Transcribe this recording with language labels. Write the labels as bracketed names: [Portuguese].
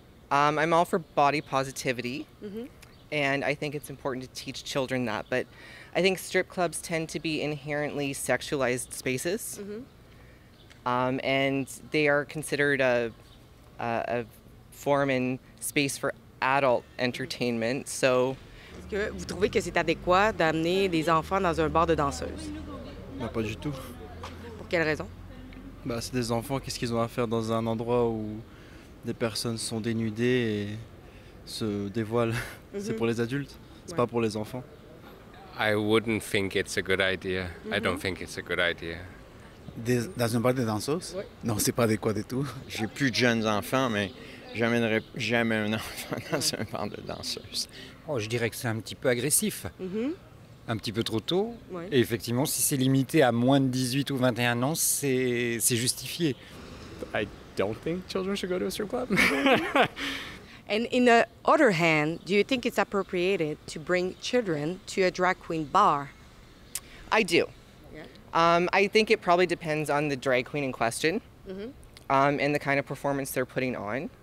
[English] I'm all for body positivity, and I think it's important to teach children that, but I think strip clubs tend to be inherently sexualized spaces. And they are considered a form and space for adult entertainment. So, [French] est-ce que vous trouvez que c'est adéquat d'amener des enfants dans un bar de danseuses? Bah, pas du tout. Pour quelle raison? Bah, c'est des enfants. Qu'est-ce qu'ils ont à faire dans un endroit où des personnes sont dénudées et se dévoilent? C'est pour les adultes. C'est pas pour les enfants. [English] I wouldn't think it's a good idea. I don't think it's a good idea. [French] Dans un bar de danseuse? Oui. Non, c'est pas adéquat du tout. J'ai plus de jeunes enfants, mais j'amènerai jamais un enfant dans un bar de danseuse. Oh, je dirais que c'est un petit peu agressif. Un petit peu trop tôt. Oui. Et effectivement, si c'est limité à moins de 18 ou 21 ans, c'est justifié. [English] I don't think children should go to a strip club. And in the other hand, do you think it's appropriate to bring children to a drag queen bar? I do. I think it probably depends on the drag queen in question and the kind of performance they're putting on.